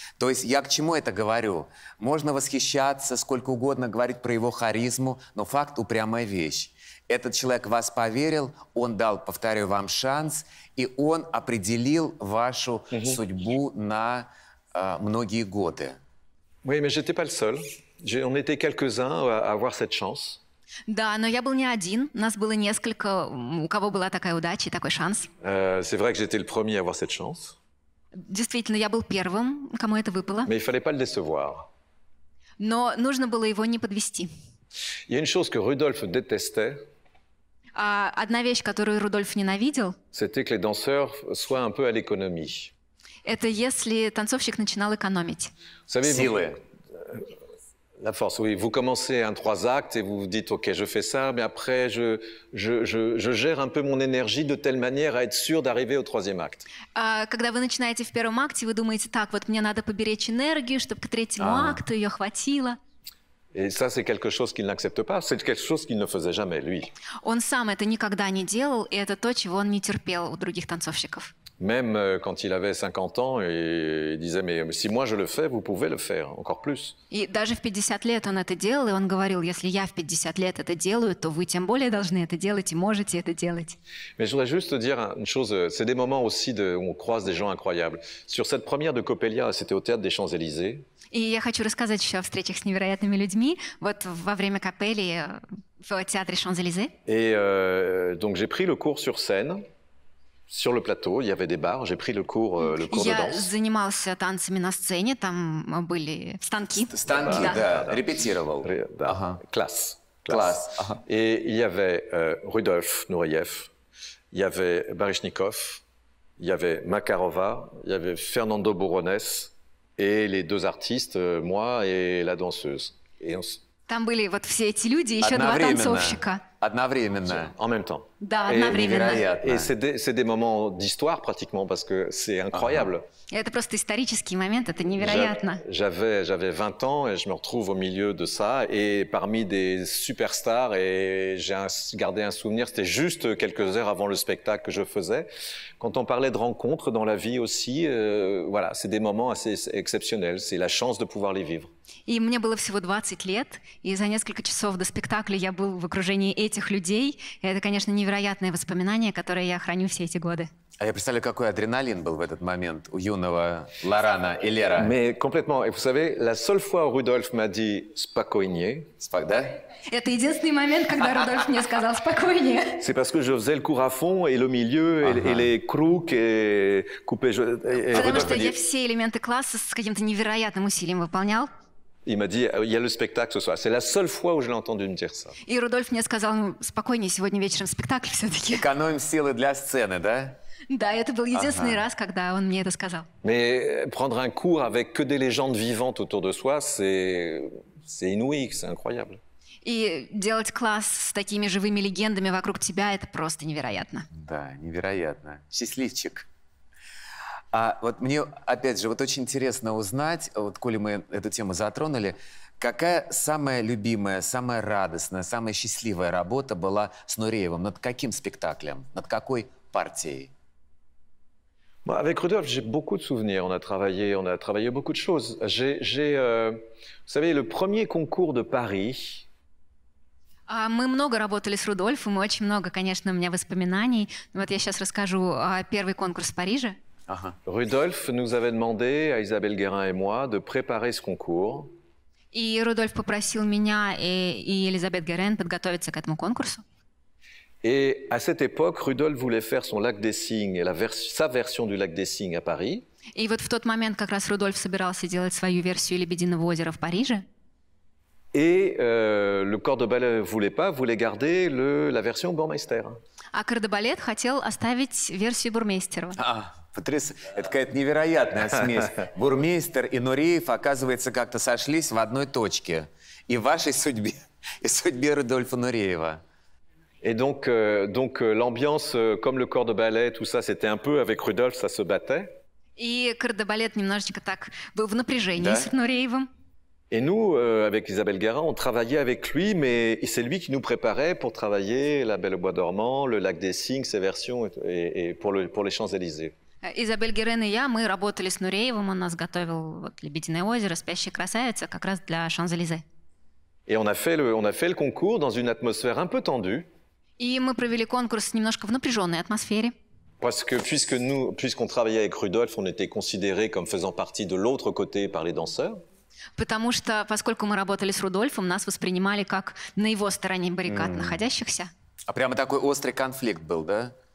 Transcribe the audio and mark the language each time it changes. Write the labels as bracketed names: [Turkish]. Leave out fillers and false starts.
[Russian] То есть я к чему это говорю? Можно восхищаться, сколько угодно говорить про его харизму, но факт – упрямая вещь. Этот человек вас поверил, он дал, повторю, вам шанс, и он определил вашу угу. судьбу на многие годы. [French] Oui, mais j'étais pas le seul. On était quelques-uns à avoir cette chance. [Russian] Да, но я был не один. Нас было несколько, у кого была такая удача и такой шанс. [French] C'est vrai que j'étais le premier à avoir cette chance. [Russian] Действительно, я был первым, кому это выпало. [French] Mais il fallait pas le décevoir. [Russian] Но нужно было его не подвести. [French] Il y a une chose que Rudolf détestait. [Russian] Одна вещь, которую Рудольф ненавидел. [French] C'était que les danseurs soient un peu à l'économie. [Russian] Это если танцовщик начинал экономить. [French] Vous savez, [Russian] силы. [French] La force, oui. Vous commencez un trois actes et vous vous dites, ok, je fais ça, mais après, je gère un peu mon énergie de telle manière à être sûr d'arriver au troisième acte. [Russian] Когда вы начинаете в первом акте, вы думаете, так, вот мне надо поберечь энергию, чтобы к третьему акту ее хватило. [French] Et ça, c'est quelque chose qu'il n'accepte pas, c'est quelque chose qu'il ne faisait jamais, lui. [Russian] Он сам это никогда не делал, и это то, чего он не терпел у других танцовщиков. [French] Même quand il avait 50 ans, il disait, mais si moi je le fais, vous pouvez le faire, encore plus. [Russian] И даже в 50 лет он это делал, и он говорил, если я в 50 лет это делаю, то вы тем более должны это делать и можете это делать. [French] Mais je voudrais juste dire une chose, c'est des moments aussi de, où on croise des gens incroyables. Sur cette première de Coppelia, c'était au théâtre des Champs-Élysées. [Russian] И я хочу рассказать еще о встречах с невероятными людьми, вот во время Капелли в театре Champs-Élysées. [French] Et donc j'ai pris le cours sur scène. Sur le plateau, il y avait des bars, j'ai pris le cours [Russian] я [French] de danse. [Russian] Я занимался танцами на сцене, там были станки. Станки, да, да. Репетировал. Да. Ага. Класс. Класс. Ага. [French] Et il y avait Rudolf Nureyev, il y avait Baryshnikov, il y avait Makarova, il y avait Fernando Bourones et les deux artistes, moi et la danseuse. Et on... [Russian] Там были вот все эти люди и еще два танцовщика. Одновременно. [French] En même temps. [Russian] Да, одновременно. [French] Et c'est des moments d'histoire pratiquement parce que c'est incroyable. Uh-huh. [Russian] Это просто исторический момент, это невероятно. [French] J'avais 20 ans et je me retrouve au milieu de ça et parmi des superstars et j'ai gardé un souvenir, c'était juste quelques heures avant le spectacle que je faisais. Quand on parlait de rencontres dans la vie aussi, voilà, c'est des moments assez exceptionnels, c'est la chance de pouvoir les vivre. [Russian] И мне было всего 20 лет, и за несколько часов до спектакля я был в окружении этих людей. Это, конечно, невероятное воспоминание, которое я храню все эти годы. А я представляю, какой адреналин был в этот момент у юного Лорана и Лера. [French] Mais complètement. Et vous savez, la seule fois où Rudolf m'a dit [Russian] спокойнее. Да? Это единственный момент, когда Рудольф мне сказал спокойнее. [French] C'est parce que je faisais le cours à fond et le milieu uh-huh. et les crocs et coupé. [Russian] Потому что я все элементы класса с каким-то невероятным усилием выполнял. [French] Il m'a dit, il y a le spectacle ce soir. C'est la seule fois où je l'ai entendu me dire ça. [Russian] И Рудольф мне сказал, спокойнее, сегодня вечером спектакль все-таки. Экономим силы для сцены, да? Да, это был единственный раз, когда он мне это сказал. [French] Mais prendre un cours avec que des légendes vivantes autour de soi, c'est inouï, c'est incroyable. [Russian] И делать класс с такими живыми легендами вокруг тебя, это просто невероятно. Да, невероятно. Счастливчик. А вот мне, опять же, вот очень интересно узнать, вот коли мы эту тему затронули, какая самая любимая, самая радостная, самая счастливая работа была с Нуреевым? Над каким спектаклем? Над какой партией? [French] Avec Rudolf, j'ai beaucoup de souvenirs. On a travaillé beaucoup de choses. Vous savez, le premier concours de Paris... [Russian] Мы много работали с Рудольфом, очень много, конечно, у меня воспоминаний. Вот я сейчас расскажу первый конкурс в Париже. [French] Rudolf nous avait demandé, à Isabelle Guérin et moi, de préparer ce concours. [Russian] И Рудольф попросил меня и Элизабет Герен подготовиться к этому конкурсу. [French] Et à cette époque, Rudolf voulait faire son lac des cygnes, sa version du lac des cygnes à Paris. [Russian] И вот в тот момент как раз Рудольф собирался делать свою версию Лебединого озера в Париже. [French] Et le corps de ballet voulait garder la version Бурмейстера. [Russian] А кор де балет хотел оставить версию Бурмейстера. А, потрясающе. Это какая-то невероятная смесь. Бурмейстер и Нуреев, оказывается, как-то сошлись в одной точке. И вашей судьбе, и судьбе Рудольфа Нуреева. [French] Et donc l'ambiance, comme le corps de ballet, tout ça, c'était un peu avec Rudolf, ça se battait. [Russian] И кор де балет немножечко так был в напряжении с Нуреевым. [French] Et nous, avec Isabelle Guérin, on travaillait avec lui, mais c'est lui qui nous préparait pour travailler La Belle au Bois Dormant, Le Lac des Cygnes, ses versions, et pour les Champs-Élysées. Isabelle Guérin et moi, nous travaillions avec Нуреевым, il nous préparait [Russian] Лебединое озеро, Спящая красавица, как раз для [French] Champs-Élysées. Et on a fait le concours dans une atmosphère un peu tendue. [Russian] И мы провели конкурс немножко в напряженной атмосфере. [French] Parce que puisqu'on travaillait avec Rudolf, on était considérés comme faisant partie de l'autre côté par les danseurs. [Russian] Потому что поскольку мы работали с Рудольфом, нас воспринимали как на его стороне баррикад находящихся. А прямо такой острый конфликт был, да?